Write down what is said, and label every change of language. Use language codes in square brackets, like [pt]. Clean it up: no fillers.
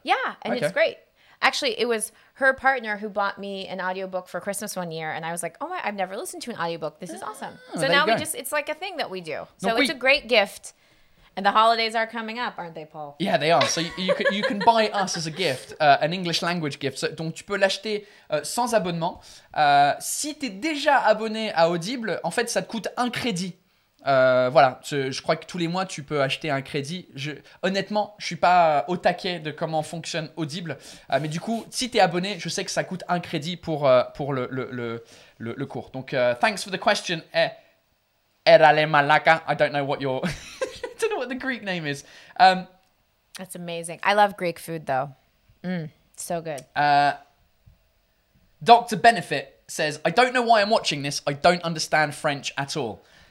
[en] Yeah, and okay. It's great. Actually, it was her partner who bought me an audiobook for Christmas one year. And I was like, oh, I've never listened to an audiobook. This is awesome. So now we just, it's like a thing that we do. So no, it's a great gift. And the holidays are coming up, aren't they, Paul? Yeah, they are. So you can buy us as a gift, an English language gift. [fr] So, donc, tu peux l'acheter sans abonnement. Si tu es déjà abonné à Audible, en fait, ça te coûte un crédit. Voilà, je crois que tous les mois tu peux acheter un crédit. Honnêtement, je suis pas au taquet de comment fonctionne Audible, mais du coup, si t'es abonné, je sais que ça coûte un crédit pour le cours. Donc, [en] thanks for the question. Erale malaka. I don't know what your I don't know what the Greek name is. That's amazing. I love Greek food though. So good. Dr. Benefit says, I don't know why I'm watching this. I don't understand French at all.